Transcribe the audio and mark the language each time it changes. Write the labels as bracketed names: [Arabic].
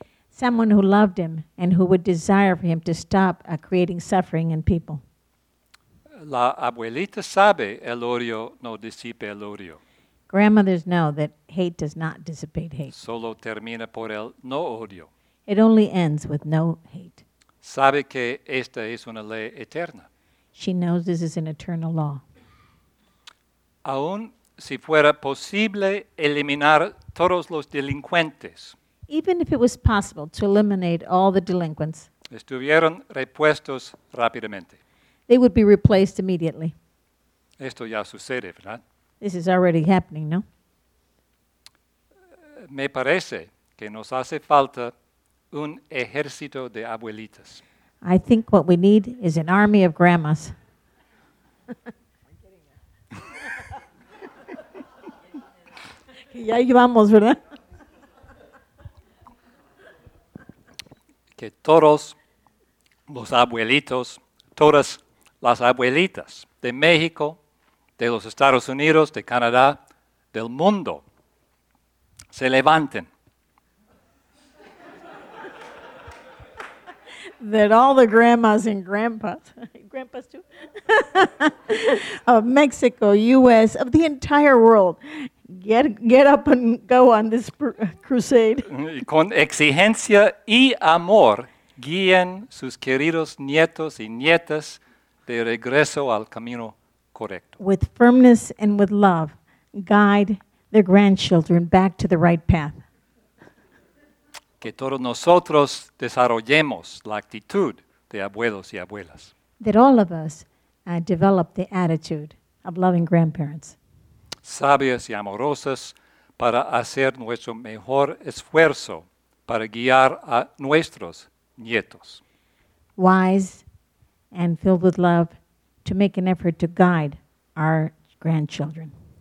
[English] Someone who loved him and who would desire for him to stop creating suffering in people. [Spanish] La abuelita sabe el odio no disipa el odio. [English] Grandmothers know that hate does not dissipate hate. [Spanish] Solo termina por el no odio. [English] It only ends with no hate. [Spanish] Sabe que esta es una ley eterna. [English] She knows this is an eternal law. [Spanish] Aún si fuera posible eliminar todos los delincuentes. [English] Even if it was possible to eliminate all the delinquents. [Spanish] Estuvieron repuestos rápidamente. [English] They would be replaced immediately. [Spanish] Esto ya sucede, ¿verdad? [English] This is already happening, ¿no? [Spanish] Me parece que nos hace falta un ejército de abuelitas. [English] I think what we need is an army of grandmas. [Spanish] Ya llevamos, ¿verdad? Que todos los abuelitos, todas las abuelitas de México, de los Estados Unidos, de Canadá, del mundo, se levanten. [English] That all the grandmas and grandpas, grandpas too, of Mexico, U.S., of the entire world, get up and go on this crusade. [Spanish] Con exigencia y amor, guíen sus queridos nietos y nietas de regreso al camino correcto. [English] With firmness and with love, guide their grandchildren back to the right path. [Spanish] Que todos nosotros desarrollemos la actitud de abuelos y abuelas. [English] That all of us develop the attitude of loving grandparents. [Spanish] Sabias y amorosas para hacer nuestro mejor esfuerzo para guiar a nuestros nietos. [English] Wise and filled with love to make an effort to guide our grandchildren.